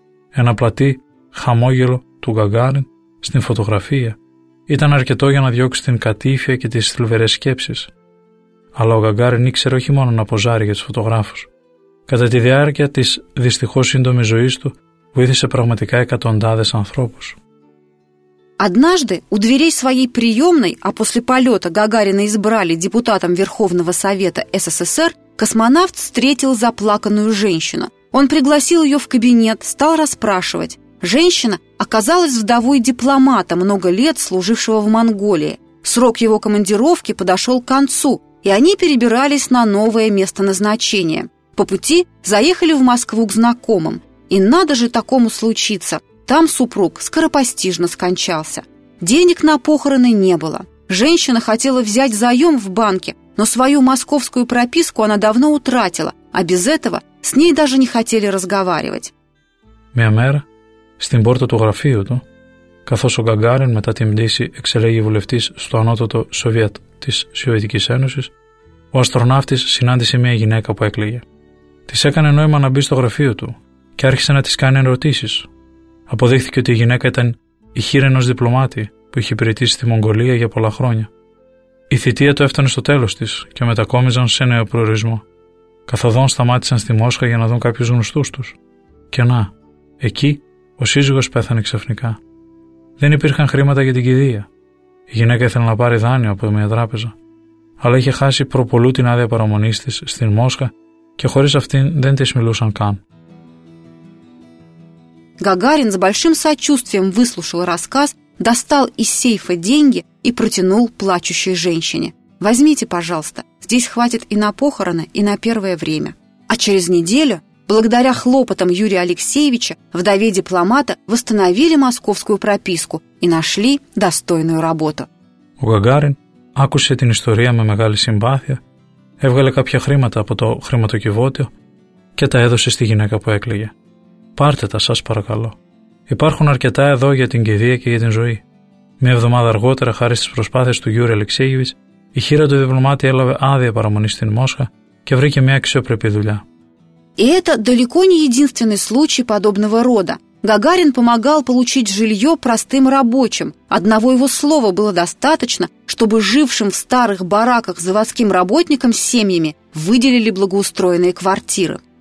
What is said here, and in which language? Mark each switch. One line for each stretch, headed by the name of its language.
Greek: Ένα πλατή χαμόγελο του Γκαγκάριν στην φωτογραφία ήταν αρκετό για να διώξει την κατήφια και τις θλιβερές σκέψεις. Αλλά ο Γκαγκάριν ήξερε όχι μόνο να ποζάρει για τους φωτογράφους. Κατά τη διάρκεια της δυστυχώς σύντομης ζωής του βοήθησε πραγματικά εκατοντάδες ανθρώπους.
Russian: Однажды у дверей своей приемной, а после полета Гагарина избрали депутатом Верховного Совета СССР, космонавт встретил заплаканную женщину. Он пригласил ее в кабинет, стал расспрашивать. Женщина оказалась вдовой дипломата, много лет служившего в Монголии. Срок его командировки подошел к концу, и они перебирались на новое место назначения. По пути заехали в Москву к знакомым. И надо же такому случиться! Там супруг скоропостижно скончался. Денег на похороны не было. Женщина хотела взять заем в банке, но свою московскую прописку она давно утратила, а без этого с ней даже не хотели разговаривать.
Greek: Μια μέρα, στην πόρτα του γραφείου του, καθώς ο Γκαγκάριν μετά την πτήση εξελέγει βουλευτής στο ανώτατο Σοβιέτ της Σοβιετικής Ένωσης, ο αστροναύτης συνάντησε μια γυναίκα που έκλαιγε. Της έκανε νόημα να μπει στο γραφείο του και άρχισε να της κάνει ερωτήσεις. Αποδείχθηκε ότι η γυναίκα ήταν η χείρα ενός διπλωμάτη που είχε υπηρετήσει στη Μογγολία για πολλά χρόνια. Η θητεία του έφτανε στο τέλος της και μετακόμιζαν σε νέο προορισμό. Καθοδόν σταμάτησαν στη Μόσχα για να δουν κάποιους γνωστούς τους. Και να, Εκεί ο σύζυγος πέθανε ξαφνικά. Δεν υπήρχαν χρήματα για την κηδεία. Η γυναίκα ήθελε να πάρει δάνειο από μια τράπεζα, αλλά είχε χάσει προπολού την άδεια παραμονής της στην Μόσχα και χωρίς αυτήν δεν της μιλούσαν καν.
Russian: Гагарин с большим сочувствием выслушал рассказ, достал из сейфа деньги и протянул плачущей женщине. «Возьмите, пожалуйста, здесь хватит и на похороны, и на первое время». А через неделю, благодаря хлопотам Юрия Алексеевича, вдове-дипломата восстановили московскую прописку и нашли достойную работу. У Гагарин акуше
Greek: την история με μεγάλη симпатия, έβγαλε κάποια χρήματα από το χρηματοκιβώτιο και τα έδωσε στη γυναίκα που έκλαιγε. Πάρτε τα, σας παρακαλώ. Υπάρχουν αρκετά εδώ για την κηδεία και για την ζωή. Μία εβδομάδα αργότερα, χάρη στις προσπάθειες του Γιούρι Αλεξίγιβιτς, η χείρα του διπλωμάτη έλαβε άδεια παραμονή στην Μόσχα και βρήκε μια αξιοπρεπή δουλειά.
Russian: Это далеко не единственный случай подобного рода. Гагарин помогал получить жилье простым рабочим. Одного его слова было достаточно, чтобы жившим в старых бараках заводским работникам с семьями выделили благоустроенные квартиры.